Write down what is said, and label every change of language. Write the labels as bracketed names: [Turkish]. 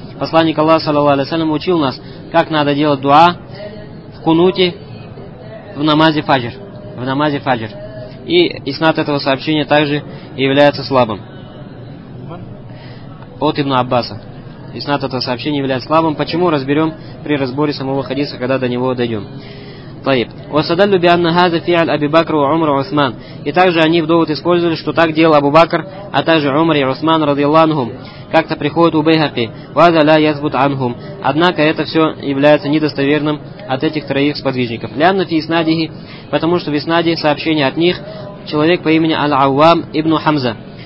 [Russian] Посланник Аллаха саллаллаху алейхи ва саллям учил нас, как надо делать дуа в кунуте в намазе фаджр. В намазе фаджр. И иснад этого сообщения также является слабым. От Ибн Аббаса. Иснад этого сообщения является слабым. Почему? Разберем при разборе самого хадиса, когда до него дойдем. [Arabic] وصدلوا بأن هذا فعل أبي بكر وعمر وعثمان. [Russian] И также они в довод использовали, что так делал Абу Бакр, а также Умар и Усман [Arabic] رضي الله عنهم. [Russian] Как-то приходит у Байхаки. [Arabic] وهذا لا يثبت عنهم. [Russian] Однако это все является недостоверным от этих троих сподвижников. [Arabic] لأن في إسناده, [Russian] потому что в إسناде сообщение от них, человек по имени Аль-Аввам ибн Хамза.